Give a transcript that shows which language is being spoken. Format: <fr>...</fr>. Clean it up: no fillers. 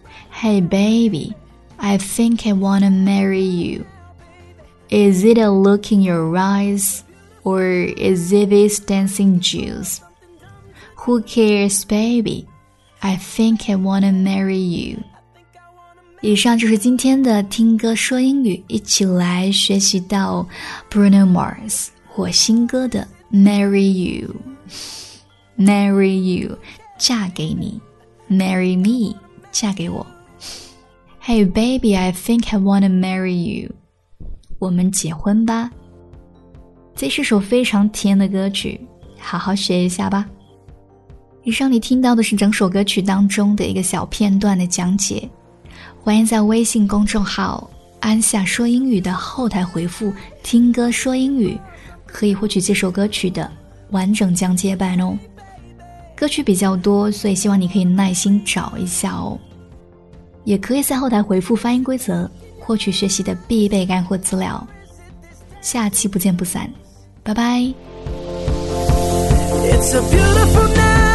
<en>Hey baby, I think I wanna marry you. Is it a look in your eyes, or is it this dancing juice? Who cares, baby? I think I wanna marry you.</en> <zh>以上就是今天的听歌说英语，一起来学习到 Bruno Mars 火星哥的 Marry You。 Marry you, 嫁给你。 Marry me, 嫁给我。</zh> <en>Hey baby, I think I wanna marry you.</en> <zh>我们结婚吧。这是首非常甜的歌曲，好好学一下吧。以上你听到的是整首歌曲当中的一个小片段的讲解。欢迎在微信公众号安夏说英语的后台回复听歌说英语，可以获取这首歌曲的完整讲解版哦。歌曲比较多，所以希望你可以耐心找一下哦。也可以在后台回复发音规则，获取学习的必备干货资料。下期不见不散，拜拜。</zh> <en>It's a beautiful night.</en>